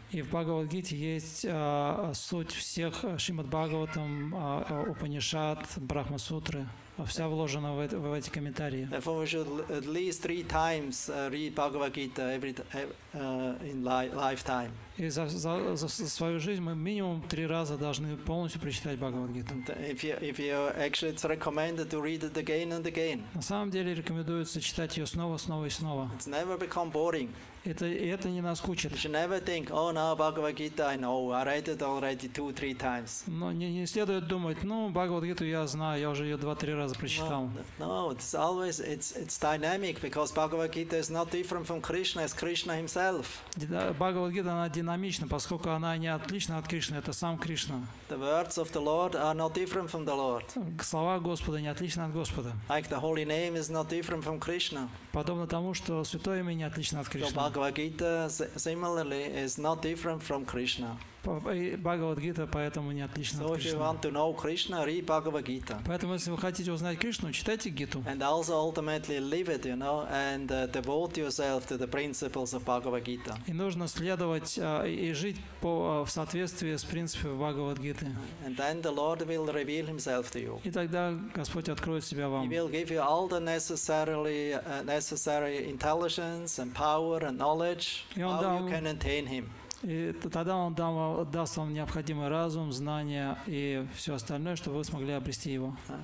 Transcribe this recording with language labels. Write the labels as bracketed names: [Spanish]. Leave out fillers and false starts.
[Russian] И в Бхагавад Гите есть суть всех Шримад Бхагаватам, Упанишад, Брахма Сутры. Вся вложена в эти комментарии. [English] Therefore, we should at least three times read Bhagavad Gita every in lifetime. [Russian] И за свою жизнь мы минимум три раза должны полностью прочитать Бхагавад Гиту. [English] Actually, it's recommended to read it again and again. [Russian] На самом деле рекомендуется читать ее снова, снова и снова. [English] It's never become boring. [Russian] Это не наскучит. [English] You should never think, oh, now Bhagavad Gita, I know, I read it already two, three times. [Russian] Но не следует думать, ну, Бхагавад Гиту я знаю, я уже ее два-три раза фраза прочитал. [English] No, no, it's always it's dynamic because Bhagavad Gita is not different from Krishna, it's Krishna himself. [Russian] Bhagavad Gita она динамична, поскольку она не отлична от Кришны, это сам Кришна. [English] The words of the Lord are not different from the Lord. [Russian] Слова Господа не отличны от Господа. [English] Like the holy name is not different from Krishna. [Russian] Подобно тому, что святое имя не отлично от Кришны. [English] So Bhagavad Gita similarly is not different from Krishna. [Russian] Bhagavad Gita поэтому не отлично от Кришны. [English] So if you want to know Krishna, read Bhagavad Gita. [Russian] Поэтому если вы хотите узнать Кришну, читайте Гиту. [English] And also ultimately live it, you know, and devote yourself to the principles of Bhagavad Gita. [Russian] И нужно следовать и жить в соответствии с принципами Bhagavad Gita. [English] And then the Lord will reveal himself to you. [Russian] И тогда Господь откроет себя вам. [English] He will give you all the necessary intelligence and power and knowledge how you can attain him. [Russian] И тогда он даст вам необходимый разум, знания и все остальное, чтобы вы смогли обрести его.